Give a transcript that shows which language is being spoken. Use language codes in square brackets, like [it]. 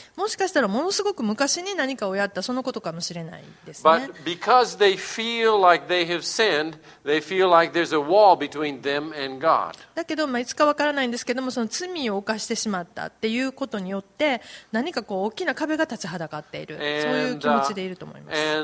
[ja] もしかしたらものすごく昔に何かをやったそのことかもしれないですね。 [en] But because they feel like they have sinned, they feel like there's a wall between them and God. [ja] だけど、まあ、いつかわからないんですけども、その罪を犯してしまったっていうことによって、何かこう大きな壁が立ちはだかっている、 and, そういう気持ちでいると思います。